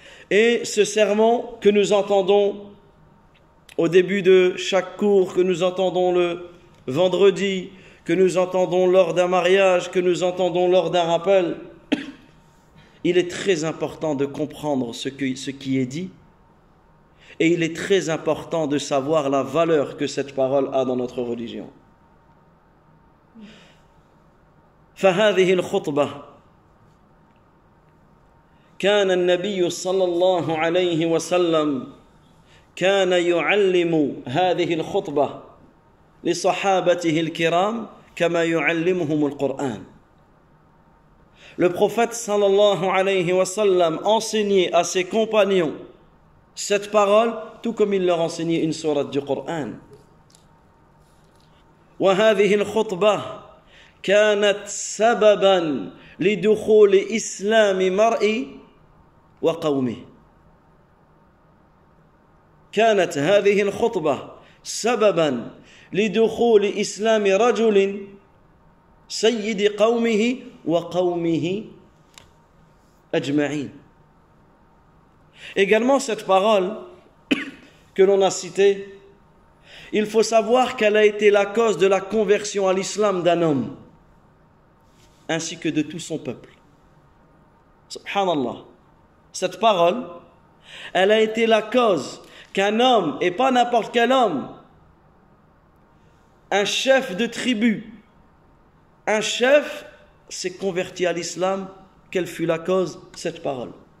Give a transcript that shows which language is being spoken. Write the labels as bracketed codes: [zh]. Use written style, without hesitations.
[fr] Et ce sermon que nous entendons au début de chaque cours, que nous entendons le vendredi, que nous entendons lors d'un mariage, que nous entendons lors d'un rappel, il est très important de comprendre ce qui est dit. Et il est très important de savoir la valeur que cette parole a dans notre religion. [ar] فهذه الخطبة كان النبي صلى الله عليه وسلم كان يعلم هذه الخطبة لصحابته الكرام كما يعلمهم القرآن. [fr] Le prophète صلى الله عليه وسلم enseignait à ses compagnons cette parole, tout comme il leur enseignait une sourate du Coran. [ar] وهذه الخطبة كانت سببا لدخول إسلام مرء وقومه. كانت هذه الخطبة سببا لدخول إسلام رجل سيد قومه وقومه أجمعين. [fr] Également cette parole que l'on a citée, il faut savoir qu'elle a été la cause de la conversion à l'islam d'un homme, ainsi que de tout son peuple. Subhanallah. Cette parole, elle a été la cause qu'un homme, et pas n'importe quel homme, un chef de tribu, un chef s'est converti à l'islam, quelle fut la cause, cette parole.